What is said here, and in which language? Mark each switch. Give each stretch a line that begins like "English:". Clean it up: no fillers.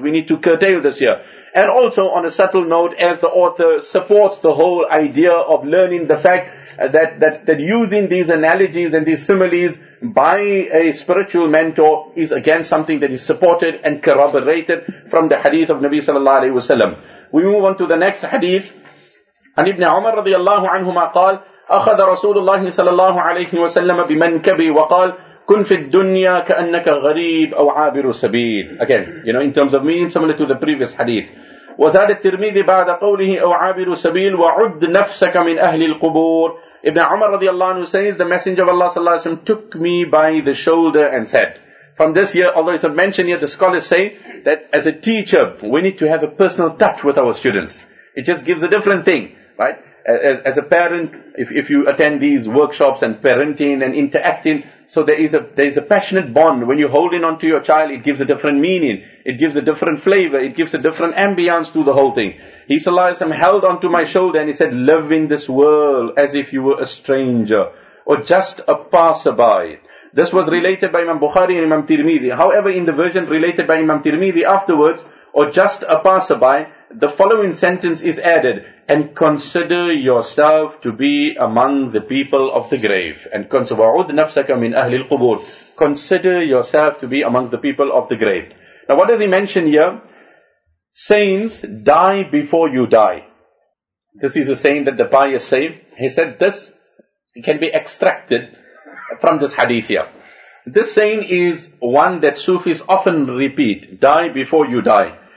English: We need to curtail this here. And also on a subtle note, as the author supports the whole idea of learning the fact that using these analogies and these similes by a spiritual mentor is again something that is supported and corroborated from the hadith of Nabi sallallahu alaihi wasallam. We move on to the next hadith.
Arabic: An Ibn Umar radiallahu anhuma qal, أخذ رسول الله صلى الله عليه وسلم بمنكبي وقال كن في الدنيا كأنك غريب أو عابر سبيل.
English: Again, you know, in terms of meaning similar to the previous hadith.
Arabic: وزاد الترمذي بعد قوله أو عابر سبيل وعد نفسك من أهل القبور.
English: Ibn Umar رضي الله عنه says, the messenger of Allah صلى الله عليه وسلم took me by the shoulder and said. From this here, although it's a mention here, the scholars say that as a teacher, we need to have a personal touch with our students. It just gives a different thing, right? As a parent, if you attend these workshops and parenting and interacting, so there is a passionate bond. When you're holding on to your child, it gives a different meaning. It gives a different flavor. It gives a different ambience to the whole thing. He held onto my shoulder and he said, live in this world as if you were a stranger or just a passerby. This was related by Imam Bukhari and Imam Tirmidhi. However, in the version related by Imam Tirmidhi afterwards, or just a passerby, the following sentence is added, and consider yourself to be among the people of the grave.
Arabic: And وَعُدْ نَفْسَكَ مِنْ أَهْلِ الْقُبُورِ.
English: Consider yourself to be among the people of the grave. Now what does he mention here? Saints die before you die. This is a saying that the pious say. He said this can be extracted from this hadith here. This saying is one that Sufis often repeat, die before you die.